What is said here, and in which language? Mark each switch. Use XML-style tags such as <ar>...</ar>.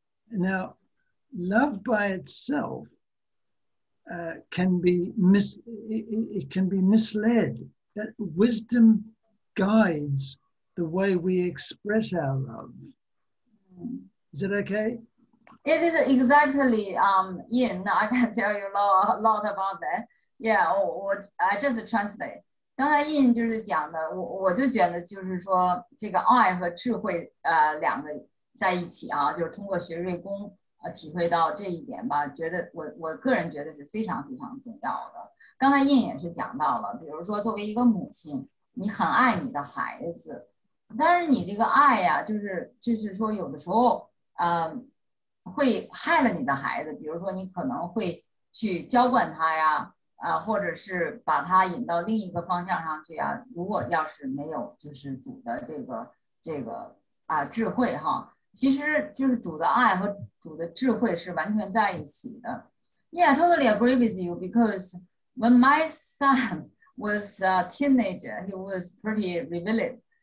<en>Now, love by itself can be misled. That wisdom guides the way we express our love. Is it okay? It is exactly, Ian. I can tell you a lot about that. Yeah, I just translate.</en> <zh>刚才 Ian 就是讲的，我就觉得就是说这个爱和智慧两个在一起啊，就是通过学瑞公体会到这一点吧，觉得我个人觉得是非常非常重要的。刚才 Ian 也是讲到了，比如说作为一个母亲，你很爱你的孩子。但是你这个爱呀，就是说有的时候，会害了你的孩子。比如说你可能会去娇惯他呀，或者是把他引到另一个方向上去呀。如果要是没有就是主的这个智慧哈，其实就是主的爱和主的智慧是完全在一起的。</zh> <en>Yeah, totally agree with you, because when my son was a teenager, he was pretty rebellious.</en>